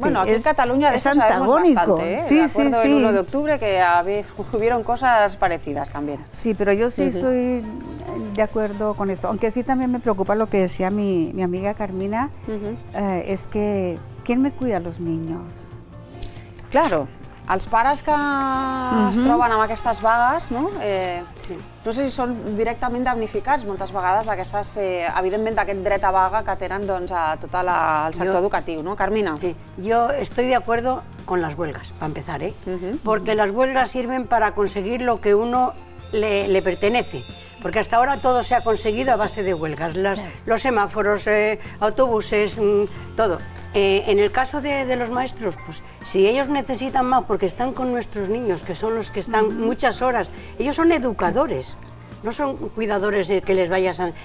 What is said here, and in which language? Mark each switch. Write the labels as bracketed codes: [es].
[es] Bueno, aquí en Cataluña de eso sabemos bastante. Es antagónico. Sí, sí, sí. El 1 de octubre que hubieron cosas parecidas también. Sí, pero yo sí soy de acuerdo con esto. Aunque sí también me preocupa lo que decía mi amiga Carmina, es que ¿quién me cuida a los niños? [ca] Claro, els pares que es troben amb aquestes vagues, no? No sé si són directament damnificats moltes vegades d'aquestes, evidentment d'aquest dret a vaga que tenen doncs, a tot el sector educatiu, no, Carmina? [es] Sí, yo estoy de acuerdo con las huelgas, para empezar, ¿eh? Porque las huelgas sirven para conseguir lo que uno le pertenece. Porque hasta ahora todo se ha conseguido a base de huelgas, los semáforos, autobuses, todo. En el caso de los maestros, pues si ellos necesitan más, porque están con nuestros niños, que son los que están muchas horas, ellos son educadores, no son cuidadores que les vayas a...